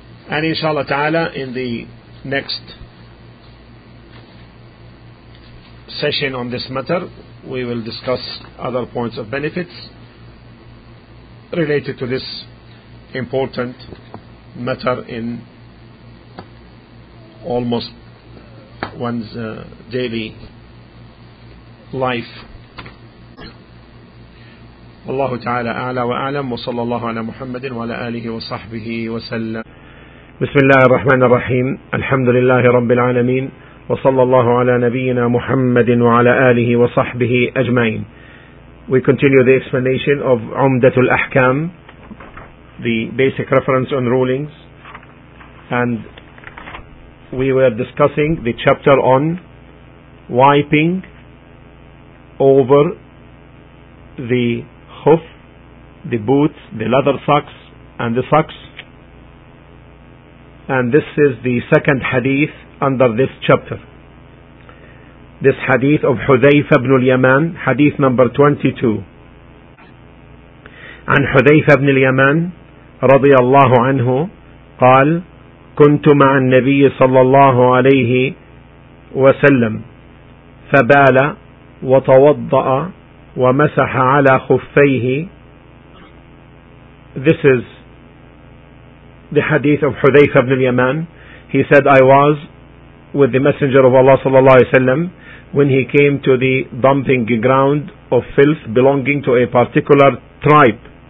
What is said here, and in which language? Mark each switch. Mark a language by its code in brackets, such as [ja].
[en] And inshallah ta'ala, in the next session on this matter, we will discuss other points of benefits related to this important matter in almost one's daily life. [ar] والله تعالى أعلى وأعلم وصلى الله على محمد وعلى آله وصحبه وسلم. بسم الله الرحمن الرحيم. الحمد لله رب العالمين، وصلى الله على نبينا محمد وعلى آله وصحبه أجمعين. [en] We continue the explanation of عمدة الأحكام, the basic reference on rulings, and we were discussing the chapter on wiping over the khuf, the boots, the leather socks, and the socks. And this is the second hadith under this chapter. This hadith of Hudhayfa ibn al-Yaman, hadith number 22. [ar] عن Hudhayfa ibn al-Yaman رضي الله عنه قال كنت مع النبي صلى الله عليه وسلم فبال وتوضأ ومسح على خفيه. [en] This is the hadith of Hudhayfa ibn al-Yaman. He said, I was with the Messenger of Allah sallallahu alayhi wa sallam when he came to the dumping ground of filth belonging to a particular tribe.